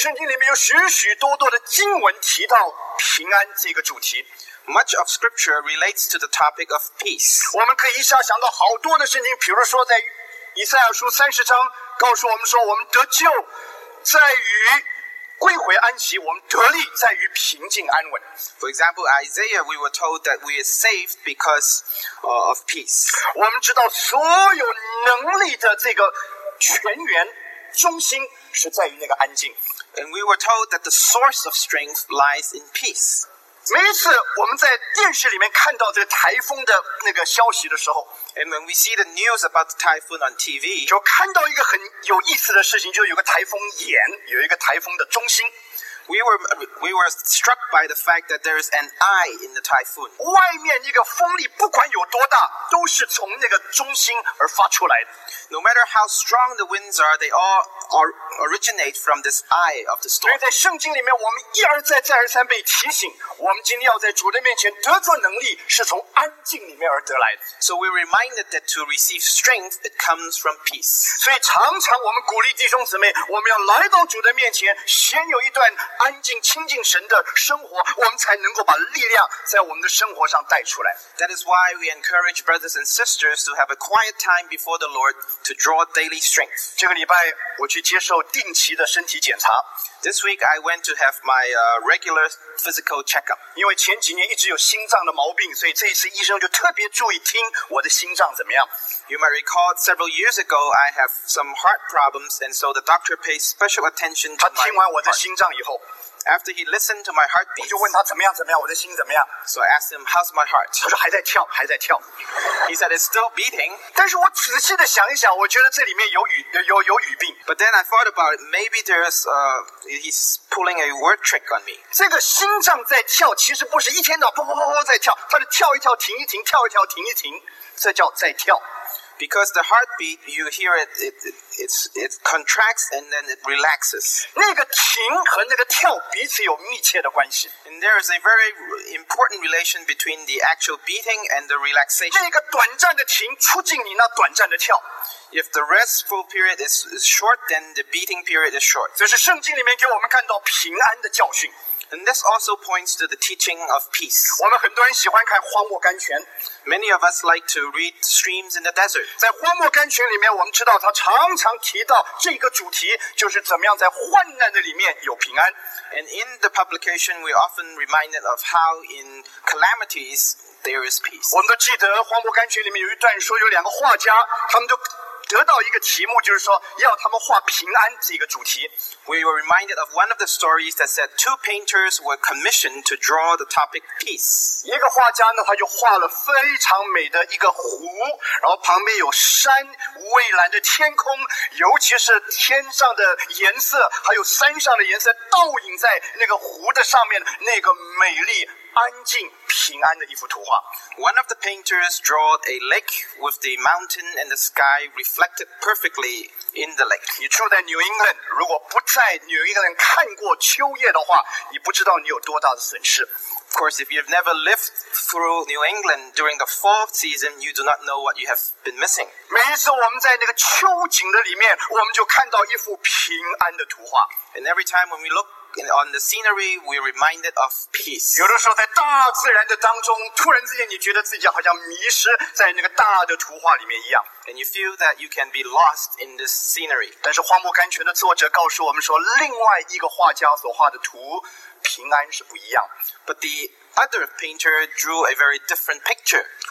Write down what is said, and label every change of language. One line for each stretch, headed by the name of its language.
Chinese: 圣经里面有许许多多的经文提到平安这个主题
English: Much of scripture relates to the topic of peace
Chinese: 我们可以一下想到好多的圣经比如说在以赛亚书三十章告诉我们说我们得救在于归回安息我们得力在于平静安稳
English: For example, Isaiah, we were told that we are saved because of peace
Chinese: 我们知道所有能力的这个泉源中心是在于那个安静
English: And we were told that the source of strength lies in peace.
Chinese: 每一次我们在电视里面看到这个台风的那个消息的时候
English: And when we see the news about the typhoon on TV
Chinese: 就看到一个很有意思的事情就有个台风眼有一个台风的中心
English: We were struck by the fact that there is an eye in the typhoon
Chinese: 外面一个风力不管有多大都是从那个中心而发出来的
English: No matter how strong the winds are, they allOriginate from this eye of the storm.
Chinese: 所以在圣经里面，我们一而再、再而三被提醒，我们今天要在主的面前得着能力，是从安静里面而得来的。
English: So we reminded that to receive strength, it comes from peace.
Chinese: 所以常常我们鼓励弟兄姊妹，我们要来到主的面前，先有一段安静、亲近神的生活，我们才能够把力量在我们的生活上带出来。
English: That is why we encourage brothers and sisters to have a quiet time before the Lord to draw daily strength.
Chinese: 这个礼拜我去接受定期的身体检查。
English: This week I went to have my regular physical checkup.
Chinese: 因为前几年一直有心脏的毛病，所以这一次医生就特别注意听我的心脏怎么样。
English: You might recall several years ago I have some heart problems, and so the doctor paid special attention to my heart.
Chinese: 他听完我的心脏以后
English: ，After he listened to my heartbeat,
Chinese: 我就问他怎么样怎么样，我的心怎么样
English: ？So I asked him, "How's my heart?"
Chinese: 他说还在跳，还在跳。
English: He said it's still beating.
Chinese: 但是我仔细的想一想，我觉得这里面有语病。
English: But then I thought about it. Maybe there's he's pulling a word trick on me.
Chinese: 这个心脏在跳，其实不是一天到砰砰砰砰在跳，它是跳一跳停一停，跳一跳停一停，这叫在跳。
English: Because the heartbeat, you hear it contracts and then it relaxes.
Chinese: 那个停和那个跳彼此有密切的关系。
English: And there is a very important relation between the actual beating and the relaxation.
Chinese: 那个短暂的停促进你那短暂的跳。
English: If the restful period is short, then the beating period is short.
Chinese: 这是圣经里面给我们看到平安的教训。
English: And this also points to the teaching of peace.
Chinese: 我们很多人喜欢看荒漠甘泉。
English: Many of us like to read streams in the desert.
Chinese: 在荒漠甘泉里面，我们知道他常常提到这个主题，就是怎么样在患难的里面有平安。
English: And in the publication, we often reminded of how in calamities there is peace.
Chinese: 我们都记得荒漠甘泉里面有一段说，有两个画家，他们都。得到一个题目，就是说要他们画平安这个主题。
English: We were reminded of one of the stories that said two painters were commissioned to draw the topic peace.
Chinese: 一个画家呢，他就画了非常美的一个湖，然后旁边有山，蔚蓝的天空，尤其是天上的颜色，还有山上的颜色倒影在那个湖的上面，那个美丽。安静平安的一幅图画。
English: One of the painters drawed a lake with the mountain and the sky reflected perfectly in the lake.
Chinese: 你住在 New England， 如果不在 New England 看过秋叶的话，你不知道你有多大的损失。
English: Of course, if you've never lived through New England during the fall season, you do not know what you have been missing.
Chinese: 每次我们在那个秋景的里面，我们就看到一幅平安的图画。
English: And every time when we look on the scenery, we're reminded of peace.
Chinese: 有的时候在大自然的当中，突然之间，你觉得自己好像迷失在那个大的图画里面一样。
English: And you feel that you can be lost in this scenery.
Chinese: 但是《荒漠甘泉》的作者告诉我们说，另外一个画家所画的图，平安是不一样。
English: But the other painter drew a very different picture.